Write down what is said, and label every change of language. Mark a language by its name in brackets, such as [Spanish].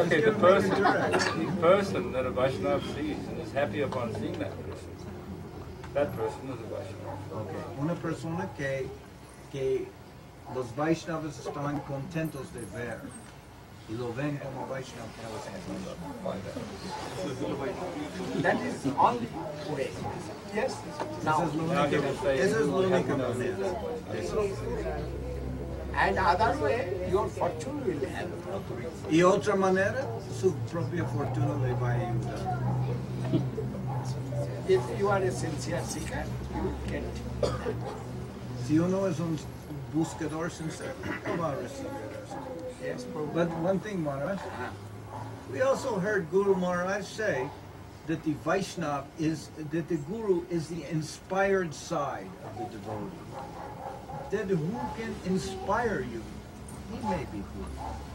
[English] Okay, the person that a Vaishnava sees and is happy upon seeing that person is a Vaishnava. [Spanish] Okay, una persona que los Vaishnavas están contentos de ver y lo ven como Vaishnava. [English] That is only way. Yes. This now, is Lunika. And other way, your fortune will have. [Spanish] Y otra manera, su propia fortuna le va a ayudar. [English] If you are a sincere seeker, you get. [Spanish] Si uno es un buscador sincero, va a recibir eso. [English] Yes, but one thing, Maharaj, we also heard Guru Maharaj say that the Vaishnav is, that the Guru is the inspired side of the devotee. That who can inspire you, he may be Guru. Huh?